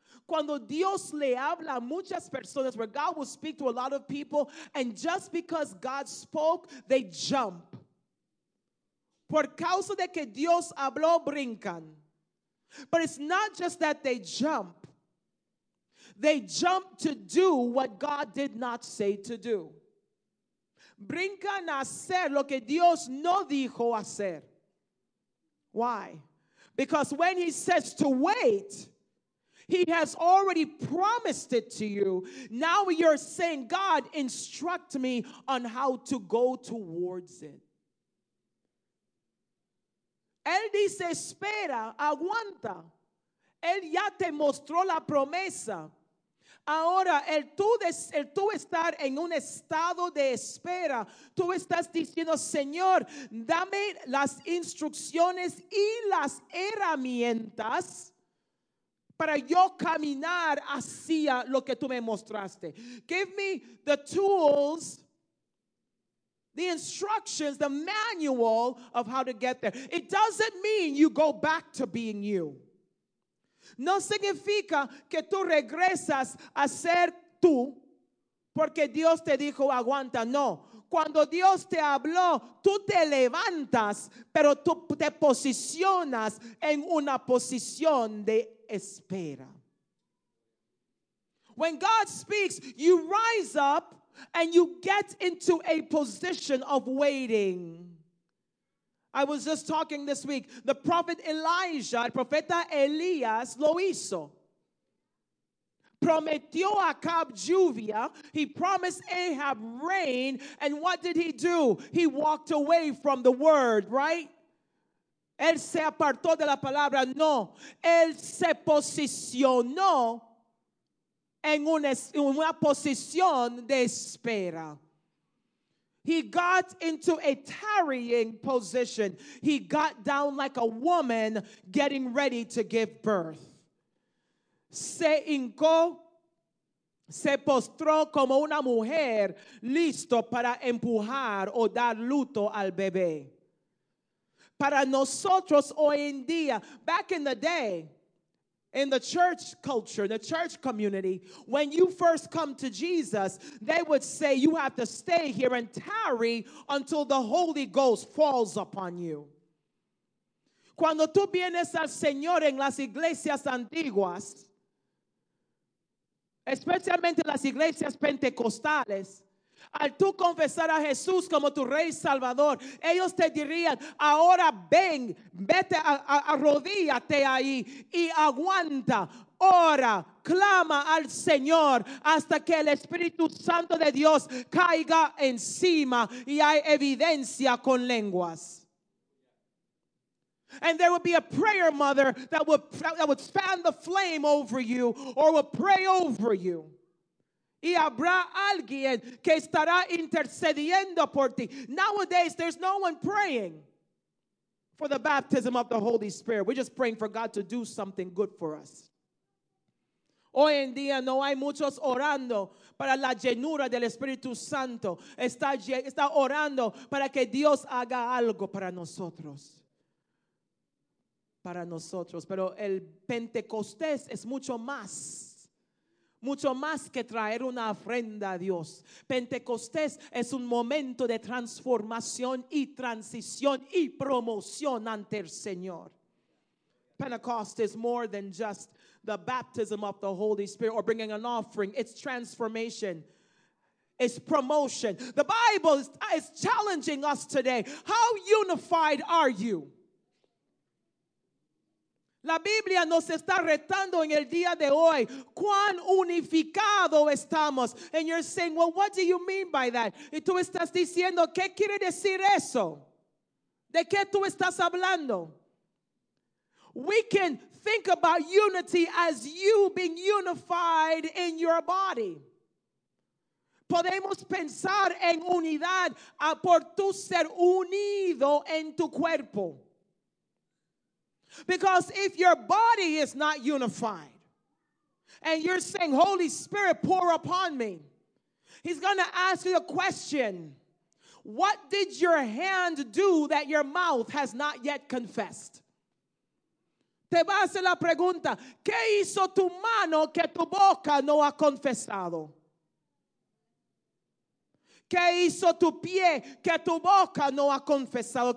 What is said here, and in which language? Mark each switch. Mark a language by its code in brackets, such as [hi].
[es] Cuando Dios le habla a muchas personas, [en] where God will speak to a lot of people, and just because God spoke, they jump. [es] Por causa de que Dios habló, brincan. [en] But it's not just that they jump. They jump to do what God did not say to do. [es] Brincan a hacer lo que Dios no dijo hacer. [en] Why? Because when he says to wait, he has already promised it to you. Now you're saying, God, instruct me on how to go towards it. [es] Él dice, espera, aguanta. Él ya te mostró la promesa. Ahora, el tú estar en un estado de espera, tú estás diciendo, Señor, dame las instrucciones y las herramientas para yo caminar hacia lo que tú me mostraste. [en] Give me the tools, the instructions, the manual of how to get there. It doesn't mean you go back to being you. [es] No significa que tú regresas a ser tú porque Dios te dijo aguanta. No. Cuando Dios te habló, tú te levantas, pero tú te posicionas en una posición de espera. [en] When God speaks, you rise up and you get into a position of waiting. I was just talking this week. The prophet Elijah, [es] el profeta Elías, [en] lo hizo. [es] Prometió a Acab lluvia. [en] He promised Ahab rain. And what did he do? He walked away from the word, right? [es] Él se apartó de la palabra. No, él se posicionó en una posición de espera. [en] He got into a tarrying position. He got down like a woman getting ready to give birth. [es] Se hincó, se postró como una mujer listo para empujar o dar luto al bebé. Para nosotros hoy en día, [en] back in the day, in the church culture, the church community, when you first come to Jesus, they would say you have to stay here and tarry until the Holy Ghost falls upon you. [es] Cuando tú vienes al Señor en las iglesias antiguas, especialmente las iglesias pentecostales, al tú confesar a Jesús como tu Rey Salvador, ellos te dirían, ahora ven, vete, arrodíllate ahí y aguanta, ora, clama al Señor hasta que el Espíritu Santo de Dios caiga encima y hay evidencia con lenguas. [en] And there would be a prayer mother that would fan the flame over you or would pray over you. [es] Y habrá alguien que estará intercediendo por ti. [en] Nowadays, there's no one praying for the baptism of the Holy Spirit. We're just praying for God to do something good for us. [es] Hoy en día no hay muchos orando para la llenura del Espíritu Santo. Está orando para que Dios haga algo para nosotros. Para nosotros, pero el Pentecostés es mucho más que traer una ofrenda a Dios. Pentecostés es un momento de transformación y transición y promoción ante el Señor. [en] Pentecost is more than just the baptism of the Holy Spirit or bringing an offering. It's transformation. It's promotion. The Bible is challenging us today. How unified are you? [es] La Biblia nos está retando en el día de hoy. ¿Cuán unificado estamos? [en] And you're saying, well, what do you mean by that? [es] Y tú estás diciendo, ¿qué quiere decir eso? ¿De qué tú estás hablando? [en] We can think about unity as you being unified in your body. [es] Podemos pensar en unidad por tú ser unido en tu cuerpo. [en] Because if your body is not unified and you're saying, Holy Spirit, pour upon me, he's going to ask you a question. What did your hand do that your mouth has not yet confessed? [es] Te va a hacer la pregunta, ¿qué hizo tu mano que tu boca no ha confesado? ¿Qué hizo tu pie que tu boca no ha confesado?